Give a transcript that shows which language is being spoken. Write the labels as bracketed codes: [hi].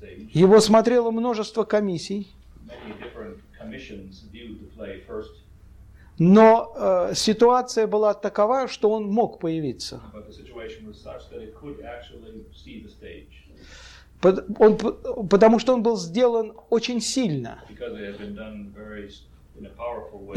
[ru] Его смотрело множество комиссий. [en] Many different commissions viewed the play first. [ru] Но ситуация была такова, что он мог появиться. [en] But the situation was such that it could actually see the stage. [ru] Потому что он был сделан очень сильно. [en] Because it had been done very, in a powerful way.